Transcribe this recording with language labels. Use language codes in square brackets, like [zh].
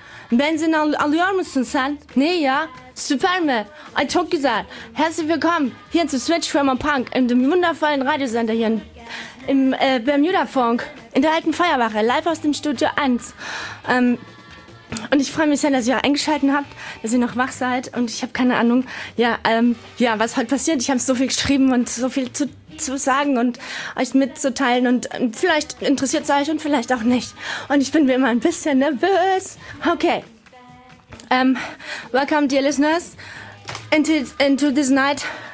[tr] Benzin alıyor musun sen? Ne ya? Süper mi? Ay çok güzel. [de] Herzlich willkommen hier zu Switch from a Punk in dem wundervollen Radiosender hier im Bermuda-Funk in der alten Feuerwache, live aus dem Studio 1. Und ich freue mich sehr, dass ihr eingeschaltet habt, dass ihr noch wach seid und ich habe keine Ahnung, ja, was heute passiert. Ich habe so viel geschrieben und so viel zu sagen und euch mitzuteilen und vielleicht interessiert es euch und vielleicht auch nicht. Und ich bin mir immer ein bisschen nervös. Okay. [en] Welcome, dear listeners, into this night.